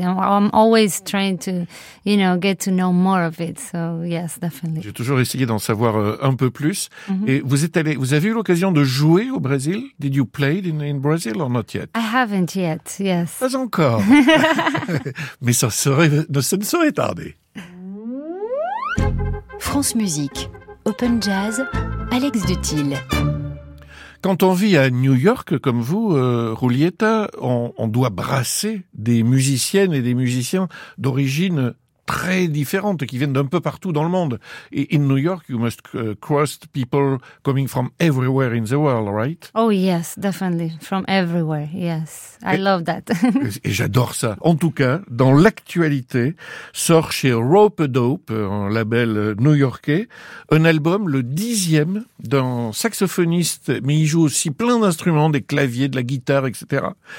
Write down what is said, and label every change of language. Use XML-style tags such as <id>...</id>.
<en>I'm always trying to, you know, get to know more of it. So, yes, definitely.</en> <fr>J'ai toujours essayé d'en savoir un peu plus. Mm-hmm. Et vous avez eu l'occasion de jouer au Brésil?</fr> <en>Did you play in Brazil or not yet? I haven't yet, yes.</en> <fr>Pas encore. Mais ça ne serait tardé. France Musique, Open Jazz, Alex Dutil. Quand on vit à New York, comme vous, Julieta, on doit brasser des musiciennes et des musiciens d'origine très différentes, qui viennent d'un peu partout dans le monde.</fr> <en>Et in New York, you must cross people coming from everywhere in the world, right? Oh yes, definitely, from everywhere, yes. I love that.</en> <fr>Et j'adore ça. En tout cas, dans l'actualité, sort chez Rope Dope, un label new-yorkais, un album, le 10e, d'un saxophoniste, mais il joue aussi plein d'instruments, des claviers, de la guitare, etc.</fr>